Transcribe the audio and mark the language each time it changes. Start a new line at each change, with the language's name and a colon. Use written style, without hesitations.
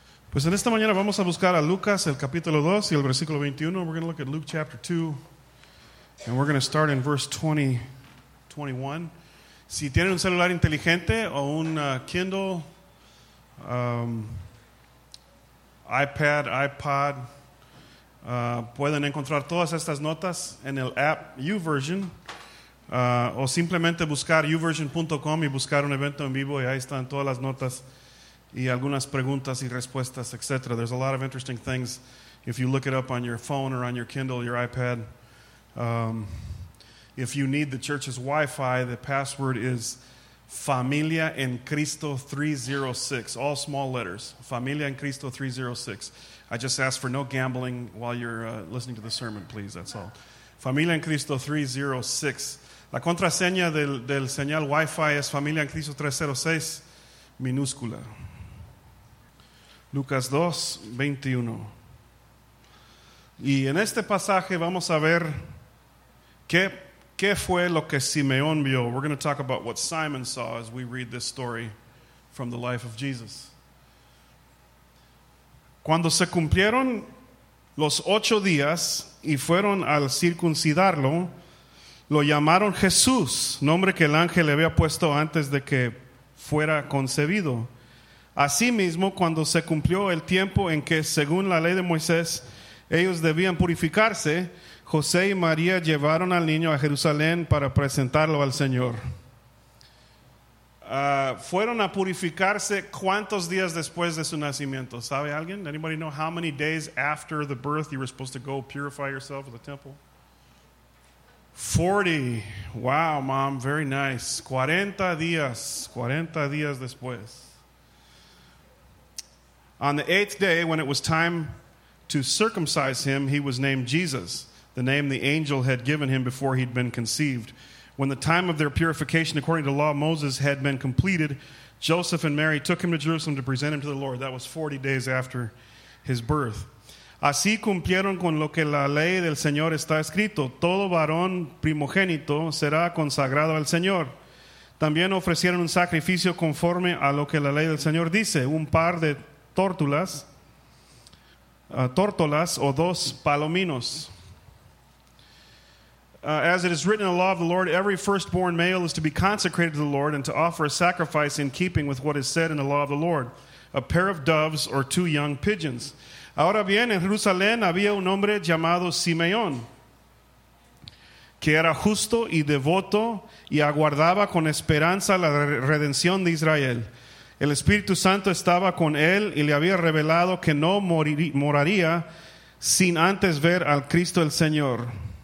Spanish: Pues en esta mañana vamos a buscar a Lucas, el capítulo 2 y el versículo 21.
English: We're going to look at Luke chapter 2, and we're going to start in verse 20-21.
Spanish: Si tienen un celular inteligente o un Kindle, iPad, iPod, pueden encontrar todas estas notas en el app YouVersion, o simplemente buscar YouVersion.com y buscar un evento en vivo, y ahí están todas las notas y algunas preguntas y respuestas, etc.
English: There's a lot of interesting things if you look it up on your phone or on your Kindle, your iPad. If you need the church's Wi-Fi, the password is Familia en Cristo 306, all small letters.
Spanish: Familia en Cristo 306.
English: I just ask for no gambling while you're listening to the sermon, please. That's all. Familia en Cristo 306.
Spanish: La contraseña del señal Wi-Fi es Familia en Cristo 306, minúscula. Lucas 2, 21. Y en este pasaje vamos a ver qué fue lo que Simeón vio.
English: We're going to talk about what Simon saw as we read this story from the life of Jesus.
Spanish: Cuando se cumplieron los 8 días y fueron al circuncidarlo, lo llamaron Jesús, nombre que el ángel le había puesto antes de que fuera concebido. Asimismo, cuando se cumplió el tiempo en que, según la ley de Moisés, ellos debían purificarse, José y María llevaron al niño a Jerusalén para presentarlo al Señor. Fueron a purificarse ¿cuántos días después de su nacimiento? ¿Sabe alguien?
English: Anybody know how many days after the birth you were supposed to go purify yourself at the temple? 40. Wow, mom, very nice.
Spanish: 40 días después.
English: On the 8th day, when it was time to circumcise him, he was named Jesus, the name the angel had given him before he'd been conceived. When the time of their purification, according to the law of Moses, had been completed, Joseph and Mary took him to Jerusalem to present him to the Lord. That was 40 days after his birth.
Spanish: Así cumplieron con lo que la ley del Señor está escrito. Todo varón primogénito será consagrado al Señor. También ofrecieron un sacrificio conforme a lo que la ley del Señor dice, un par de tórtolas o dos palominos.
English: As it is written in the law of the Lord, every firstborn male is to be consecrated to the Lord and to offer a sacrifice in keeping with what is said in the law of the Lord, a pair of doves or 2 young pigeons.
Spanish: Ahora bien, en Jerusalén había un hombre llamado Simeón, que era justo y devoto y aguardaba con esperanza la redención de Israel. El Espíritu Santo estaba con él y le había revelado que no moraría sin antes ver al Cristo el Señor.